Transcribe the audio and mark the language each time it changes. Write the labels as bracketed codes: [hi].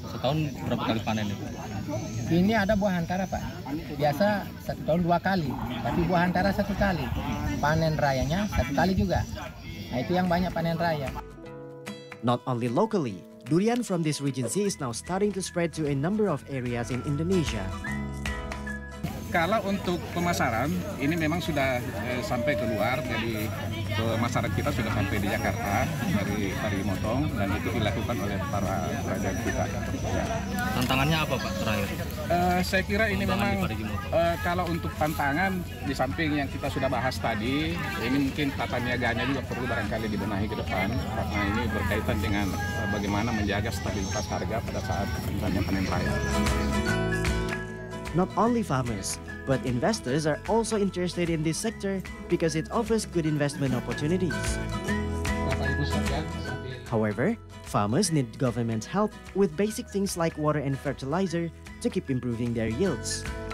[id] Setahun berapa kali panen itu? Ini ada buah antara, Pak. Biasa satu tahun dua kali, tapi buah antara satu kali. Panen rayanya satu kali juga. Nah, itu yang banyak panen raya. [en] Not only locally, durian from this regency is now starting to spread to a number of areas in Indonesia. [id] Kalau untuk pemasaran, ini memang sudah sampai keluar, jadi pemasaran kita sudah sampai di Jakarta dari Parigimotong, dan itu dilakukan oleh para kerajaan kita. Tantangannya apa, Pak, terakhir? Saya kira ini memang, kalau untuk tantangan, di samping yang kita sudah bahas tadi, ini mungkin tata niaganya juga perlu barangkali dibenahi ke depan, karena ini berkaitan dengan bagaimana menjaga stabilitas harga pada saat misalnya panen raya. [en] Not only farmers, but investors are also interested in this sector because it offers good investment opportunities. However, farmers need government's help with basic things like water and fertilizer to keep improving their yields.